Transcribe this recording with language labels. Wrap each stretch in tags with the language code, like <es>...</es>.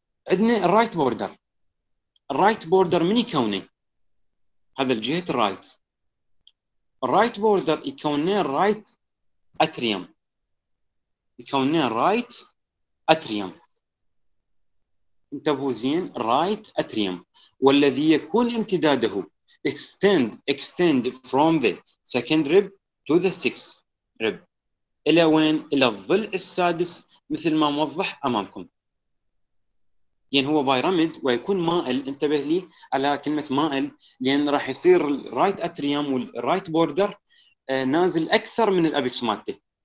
<ar>عندنا الرايت بوردر. الرايت بوردر من يكونه؟ هذا الجهه الرايت. الرايت بوردر يكونه الرايت اتريوم. يكونه الرايت اتريوم. انتبهوا زين، رايت اتريوم، والذي يكون امتداده</ar> <en>extend from the second rib to the sixth rib.</en> <ar>إلى وين؟ إلى الضلع السادس مثل ما موضح أمامكم. يعني هو بايراميد ويكون مائل، انتبه لي على كلمة مائل، لأن راح يصير الرايت أتريوم والرايت بوردر نازل أكثر من الأبكس مالته.</ar>